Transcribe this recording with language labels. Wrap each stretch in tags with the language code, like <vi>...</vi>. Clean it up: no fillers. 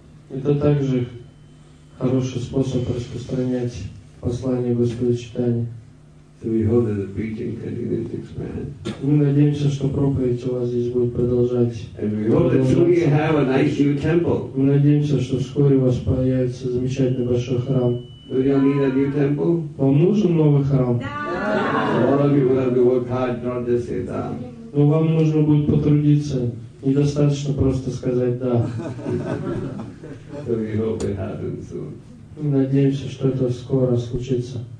<ru>Это также хороший способ распространять послание Господа Читания.</ru> <en>We hope that the preaching continues to expand.</en> <ru>Мы надеемся, что проповедь у вас здесь будет продолжать.</ru> <en>And we hope that soon you have a nice new temple.</en> <ru>Мы надеемся, что вскоре у вас появится замечательный большой храм.</ru> <en>Do you need a new temple?</en> <ru>Вам нужен новый храм? Да.</ru> <en>All of you will have to work hard, not just say да.</en> <ru>Но вам нужно будет потрудиться. Недостаточно просто сказать да.</ru> <en>So we hope it happens soon.</en> <ru>Мы надеемся, что это скоро случится.</ru>